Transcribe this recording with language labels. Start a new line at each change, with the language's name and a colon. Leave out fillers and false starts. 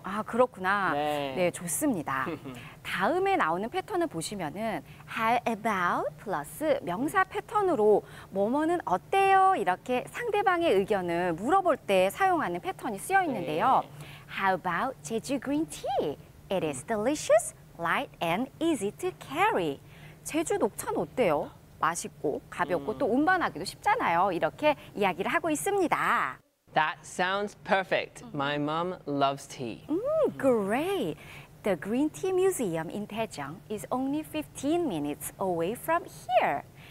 Korean: 아, 그렇구나. 네, 네 좋습니다. 다음에 나오는 패턴을 보시면은 How about 플러스 명사 패턴으로 뭐뭐는 어때요? 이렇게 상대방의 의견을 물어볼 때 사용하는 패턴이 쓰여 있는데요.
English: 네. How about Jeju green tea? It is delicious, light, and easy to carry.
Korean: 제주 녹차는 어때요? 맛있고 가볍고 또 운반하기도 쉽잖아요. 이렇게 이야기를 하고 있습니다.
English: That sounds perfect. My mom loves tea. Great. The Green Tea Museum in Daejeong is only 15 minutes away from here.